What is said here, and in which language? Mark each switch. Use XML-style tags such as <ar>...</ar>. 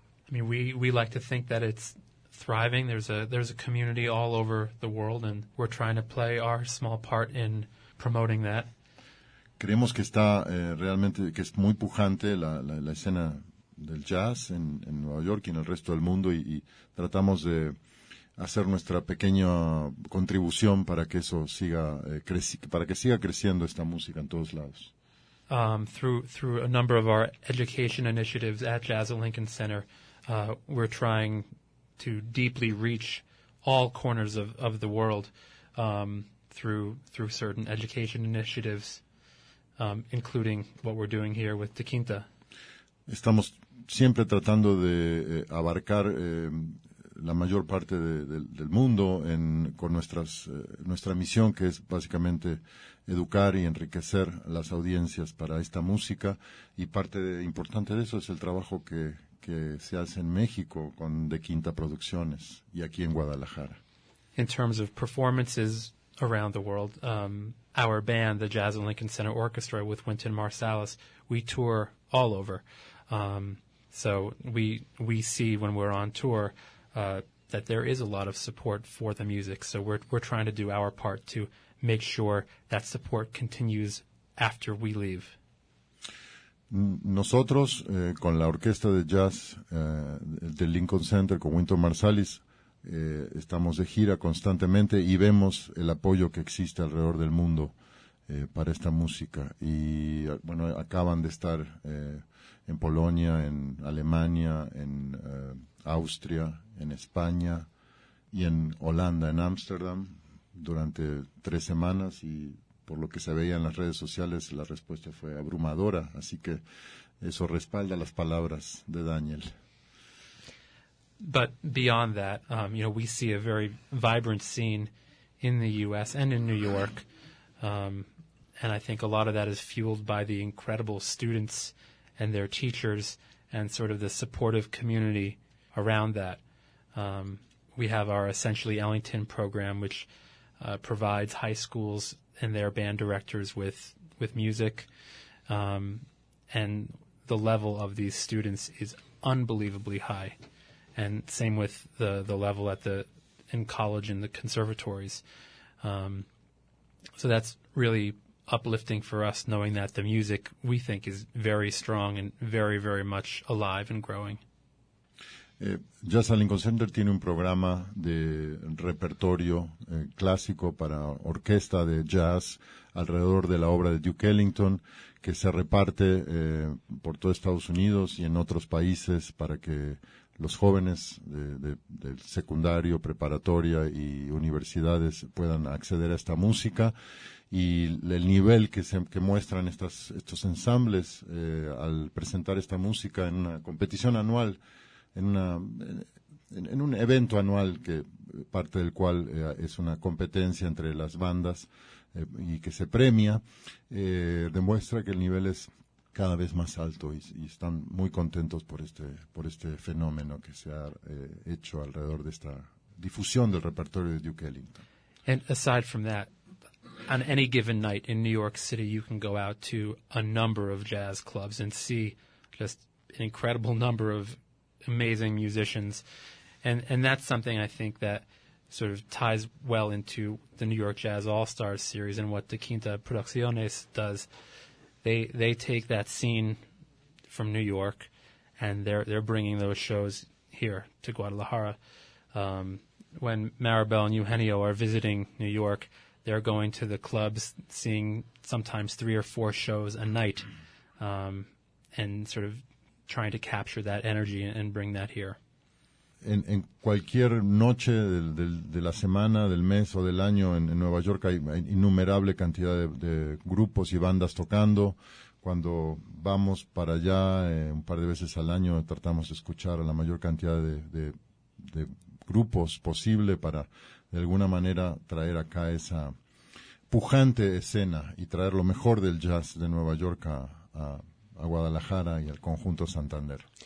<en>We like to think that it's thriving. There's a community all over the world and we're trying to play our small part in promoting that.</en> <es>Creemos que está realmente que es muy pujante la escena del jazz en Nueva York y en el resto del mundo y tratamos de hacer nuestra pequeña contribución para que eso siga para que siga creciendo esta música en todos lados.</es> <en>Through a number of our education initiatives at Jazz at Lincoln Center, we're trying to deeply reach all corners of the world. Through certain education initiatives, including what we're doing here with Te Quinta.</en> <es>Estamos siempre tratando de abarcar la mayor parte del mundo con nuestra misión, que es básicamente educar y enriquecer las audiencias para esta música. Y parte importante de eso es el trabajo que se hace en México con Te Quinta Producciones y aquí en Guadalajara.</es> <en>In terms of performances around the world, our band, the Jazz at Lincoln Center Orchestra, with Wynton Marsalis, we tour all over. So we see when we're on tour that there is a lot of support for the music. So we're trying to do our part to make sure that support continues after we leave.</en> <es>Nosotros con la orquesta de jazz de Lincoln Center con Wynton Marsalis. Estamos de gira constantemente y vemos el apoyo que existe alrededor del mundo para esta música. Y bueno, acaban de estar en Polonia, en Alemania, en Austria, en España y en Holanda, en Ámsterdam, durante 3 semanas. Y por lo que se veía en las redes sociales, la respuesta fue abrumadora. Así que eso respalda las palabras de Daniel.</es> <en>But beyond that, we see a very vibrant scene in the U.S. and in New York, And I think a lot of that is fueled by the incredible students and their teachers and sort of the supportive community around that. We have our Essentially Ellington program, which provides high schools and their band directors with music. And the level of these students is unbelievably high. And same with the level at the in college and the conservatories. So that's really uplifting for us, knowing that the music we think is very strong and very, very much alive and growing.</en> <es>Jazz Allen Center tiene un programa de repertorio clásico para orquesta de jazz alrededor de la obra de Duke Ellington, que se reparte por todo Estados Unidos y en otros países para que los jóvenes de secundario, preparatoria y universidades puedan acceder a esta música. Y el nivel que muestran estos ensambles al presentar esta música en una competición anual, en un evento anual que parte del cual es una competencia entre las bandas y que se premia, demuestra que el nivel es cada vez más alto y están muy contentos por este fenómeno que se ha hecho alrededor de esta difusión del repertorio de Duke Ellington.</es> <en>And aside from that, on any given night in New York City, you can go out to a number of jazz clubs and see just an incredible number of amazing musicians. And that's something I think that sort of ties well into the New York Jazz All-Stars series and what De Quinta Producciones does. They take that scene from New York, and they're bringing those shows here to Guadalajara. When Maribel and Eugenio are visiting New York, they're going to the clubs, seeing sometimes three or four shows a night, and sort of trying to capture that energy and bring that here.</en> <es>En cualquier noche de la semana, del mes o del año en Nueva York hay innumerable cantidad de grupos y bandas tocando. Cuando vamos para allá un par de veces al año, tratamos de escuchar a la mayor cantidad de grupos posible para de alguna manera traer acá esa pujante escena y traer lo mejor del jazz de Nueva York a Guadalajara y al conjunto Santander.</es>